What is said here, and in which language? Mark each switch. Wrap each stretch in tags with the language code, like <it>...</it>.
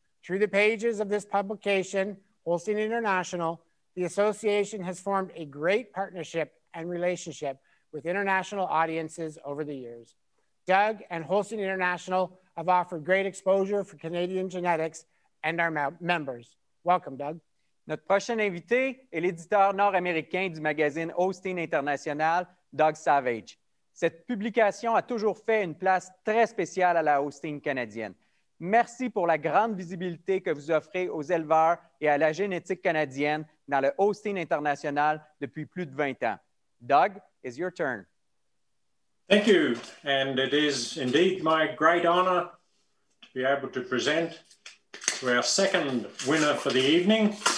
<en>Through the pages of this publication, Holstein International, the association has formed a great partnership and relationship with international audiences over the years. Doug and Holstein International have offered great exposure for Canadian genetics and our members. Welcome, Doug.</en> <fr>Notre prochain invité est l'éditeur nord-américain du magazine Holstein International, Doug Savage. Cette publication a toujours fait une place très spéciale à la Holstein canadienne. Merci pour la grande visibilité que vous offrez aux éleveurs et à la génétique canadienne dans le Holstein International depuis plus de 20 ans.</fr> <en>Doug, it's your turn. Thank you, and it is indeed my great honor to be able to present to our second winner for the evening.</en>